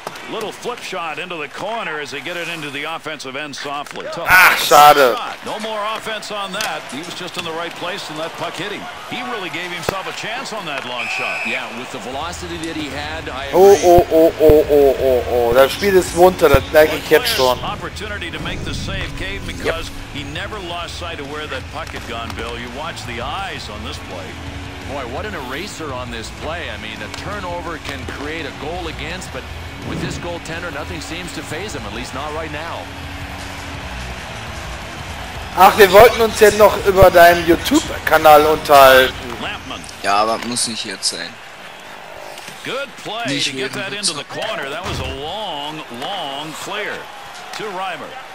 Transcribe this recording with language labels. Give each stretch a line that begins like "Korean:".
English: Little flip shot into the corner as they get it into the offensive end softly.
German: Ah, schade.
English: No more offense on that. He was just in the right place and that puck hit him. He really gave himself a chance on that long shot. Yeah, with the velocity that he had, I agree. Oh.
German: Das Spiel ist munter, das merke ich jetzt schon.
English: Opportunity to make the save came because he never lost sight of where that puck had gone, Bill. You watch the eyes on this play. Boy, what an eraser on this play. I mean, a turnover can create a goal against, but with this goaltender, nothing seems to faze him, at least not right now.
German: Ach, wir wollten uns jetzt noch über deinen YouTube-Kanal unterhalten. Ja, aber muss nicht jetzt sein.
English: Good play to get that into the corner. That was a long, long clear to Reimer.